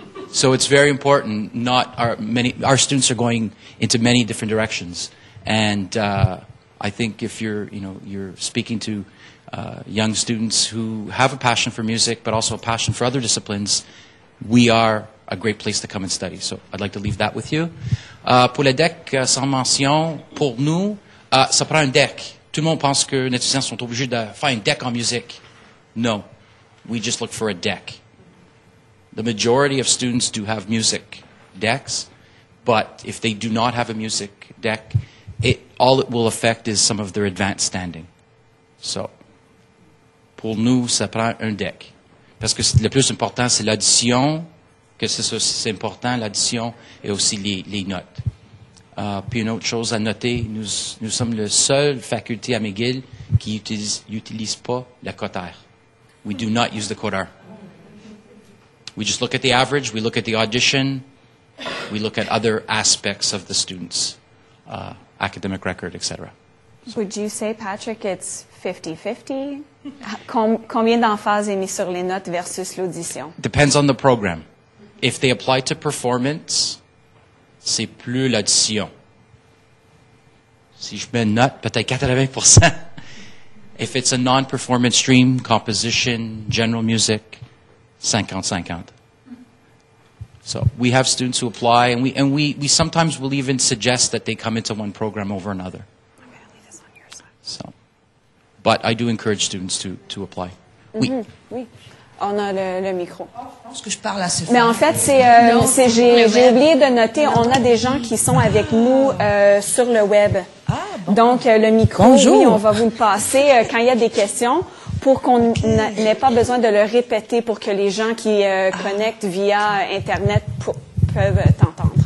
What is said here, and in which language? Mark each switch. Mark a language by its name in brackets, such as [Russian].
[English] So it's very important. Not our many, our students are going into many different directions. And I think if you're, you know, you're speaking to young students who have a passion for music, but also a passion for other disciplines, we are a great place to come and study. So I'd like to leave that with you. [French] Pour le DEC, sans mention, pour nous, ça prend un DEC. Tout le monde pense que les étudiants sont obligés de faire un DEC en musique. [English] No, we just look for a DEC. The majority of students do have music DECs, but if they do not have a music DEC, it, all it will affect is some of their advanced standing. [French] So, pour nous, ça prend un DEC. Parce que le plus important, c'est l'audition. Que c'est important, l'audition et aussi les notes. Puis une autre chose à noter, nous sommes la seule faculté à McGill qui n'utilise pas la cote R. [English] We do not use the cote R. We just look at the average, we look at the audition, we look at other aspects of the students, academic record, etc. So. Would you say, Patrick, it's 50-50? [French] Combien d'emphase est mis sur les notes versus l'audition? [English] Depends on the program. If they apply to performance, [French] c'est plus l'audition. Si je mets une note, peut-être 80%. [English] If it's a non-performance stream, composition, general music, 50-50. So we have students who apply, and we sometimes will even suggest that they come into one program over another. Okay, I'll leave this on your side. So, but I do encourage students to apply. [French] Mm-hmm. Oui. On a le micro. Que je parle assez mais en fait, c'est, j'ai oublié de noter, on a des gens qui sont avec nous sur le web. Ah, bon. Donc, le micro, oui, on va vous le passer quand il y a des questions pour qu'on n'ait pas besoin de le répéter pour que les gens qui connectent via Internet peuvent t'entendre.